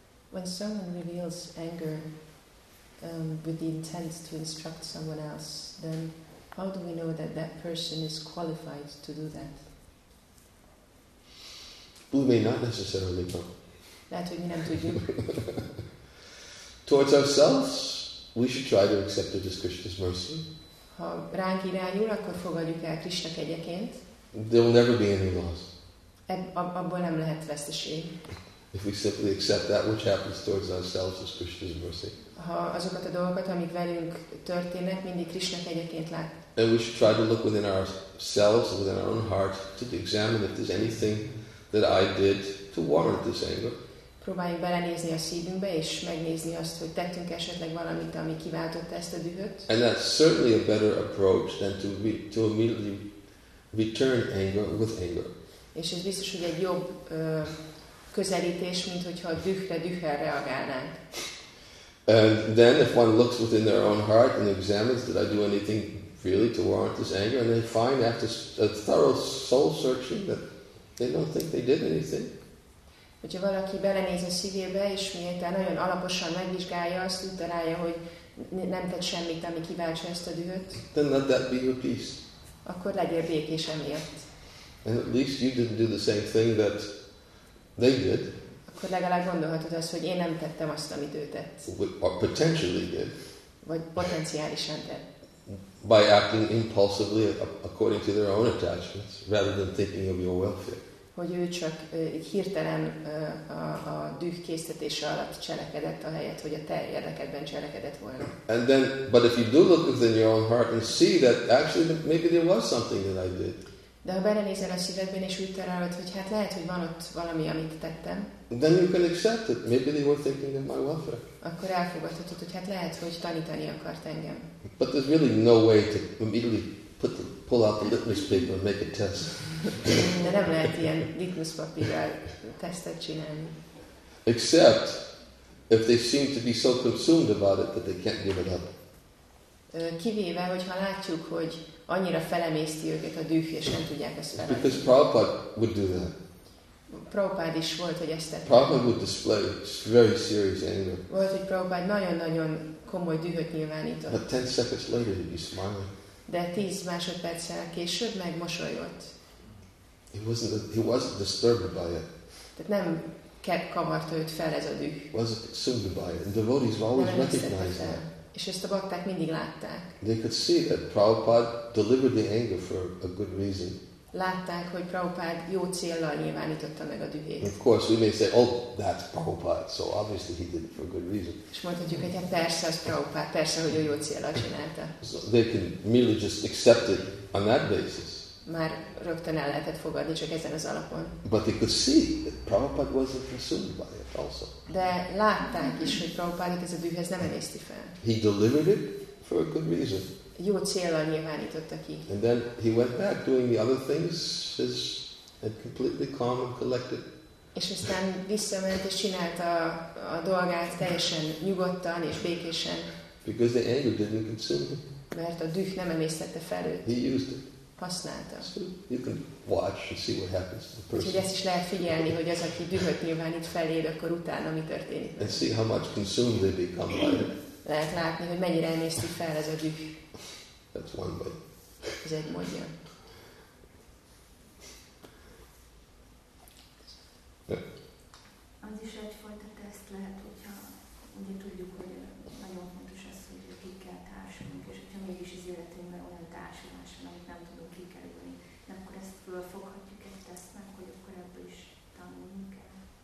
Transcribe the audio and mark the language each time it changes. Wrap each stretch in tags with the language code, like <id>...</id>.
<en>When someone reveals anger with the intent to instruct someone else, then how do we know that that person is qualified to do that? We may not necessarily know.</en> <hu>Lehet, hogy mi nem tudjuk.</hu> <en>Towards ourselves, we should try to accept it as Krishna's mercy.</en> <hu>Ha ránk irányul, akkor fogadjuk el Krishna kegyeként.</hu> <en>There will never be any loss.</en> <hu>Abból nem lehet veszteség.</hu> <en>If we simply accept that which happens towards ourselves as Krishna's mercy.</en> <hu>Ha azokat a dolgokat, amik velünk történnek, mindig Krishna kegyeként lát.</hu> <en>And we should try to look within ourselves, within our own heart, to examine if there's anything that I did to warrant this anger.</en> <hu>Próbáljunk belenézni a szívünkbe, és megnézni azt, hogy tettünk esetleg valamit, ami kiváltotta ezt a dühöt.</hu> <en>And that's certainly a better approach than to immediately return anger with anger.</en> <hu>És ez biztos, hogy egy jobb közelítés, mint hogyha a dühre reagálnánk.</hu> <en>And then if one looks within their own heart and examines, did I do anything really to warrant this anger? And they find after a thorough soul searching that they don't think they did anything.</en> <hu>Hogyha valaki belenéz a szívébe, és miután nagyon alaposan megvizsgálja, azt utalálja, hogy nem tett semmit, ami kiváltsa ezt a dühöt.</hu> <en>Then let that be your peace.</en> <hu>Akkor legyél békés emiatt.</hu> <en>And at least you didn't do the same thing that they did.</en> <hu>Akkor legalább gondolhatod azt, hogy én nem tettem azt, amit ő tett.</hu> <en>Or potentially did.</en> <hu>Vagy potenciálisan tett.</hu> <en>By acting impulsively according to their own attachments, rather than thinking of your welfare.</en> <hu>Hogy ő csak hirtelen a düh késztetése alatt cselekedett, ahelyett, hogy a te érdekedben cselekedett volna.</hu> <en>And then, but if you do look within your own heart and see that actually maybe there was something that I did.</en> <hu>De ha belenézel a szívedben és úgy találod, hogy hát lehet, hogy van ott valami, amit tettem.</hu> <en>Then you can accept it. Maybe they were thinking of my welfare.</en> <hu>Akkor elfogadhatod, hogy hát lehet, hogy tanítani akart engem.</hu> <en>But there's really no way to immediately pull out the litmus paper and make a test.</en> <hu>De nem lehet ilyen litmus papírral tesztet csinálni.</hu> <en>Except if they seem to be so consumed about it that they can't give it up.</en> <hu>Kivéve, hogyha látjuk, hogy annyira felemészti őket a düh, és nem tudják ezt felemészni.</hu> <en>Because Prabhupada would do that.</en> <hu>Prabhupada is volt, hogy ezt tette.</hu> <en>Prabhupada would display very serious anger.</en> <hu>Volt, hogy Prabhupada nagyon-nagyon komoly dühöt nyilvánított.</hu> <en>But 10 seconds later he'd be smiling.</en> <hu>De 10 másodperccel később megmosolyott.</hu> <en>He wasn't disturbed by it.</en> <hu>Tehát nem kavarta őt fel ez a düh.</hu> <en>Wasn't consumed by it. And devotees always recognize that.</en> <hu>És ezt a bakták mindig látták.</hu> <en>They could see that Prabhupada delivered the anger for a good reason.</en> <hu>Látták, hogy Prabhupada jó céllal nyilvánította meg a dühét.</hu> <en>Of course, we may say, oh, that's Prabhupada, so obviously he did it for a good reason.</en> <hu>És mondhatjuk, hogy persze, az Prabhupada, persze, hogy a jó céllal csinálta.</hu> <en>So they can merely just accept it on that basis.</en> <hu>Már rögtön el lehetett fogadni, csak ezen az alapon.</hu> <en>But they could see that Prabhupada wasn't consumed by it also.</en> <hu>De látták is, hogy Prabhupada ez a dühhez nem emészti fel.</hu> <en>He delivered it for a good reason.</en> <hu>Jó céllal nyilvánította ki.</hu> <en>And then he went back doing the other things, his and completely calm and collected.</en> <hu>És aztán visszament és csinálta a dolgát teljesen nyugodtan és békésen.</hu> <en>Because the anger didn't consume him.</en> <hu>Mert a düh nem emésztette fel őt.</hu> <en>He used it.</en> <hu>Használta.</hu> <en>So you can watch and see what happens to the person.</en> <hu>Úgyhogy ezt is lehet figyelni, hogy az, aki dühöt nyilvánít feléd, akkor utána mi történik.</hu> <en>And see how much consumed they become by it.</en> <hu>Lehet látni, hogy mennyire emészti fel ez a düh.</hu> <en>That's one way.</en> <hu>Ez egy módja. Az is egyfajta teszt lehet, hogyha ugye tudjuk, hogy nagyon fontos az, hogy kikkel társulunk, és hogyha mégis az életünkben olyan társulás van, amit nem tudunk kikerülni, akkor ezt fölfoghatjuk egy tesztnek, hogy akkor ebből is tanulnunk kell.</hu>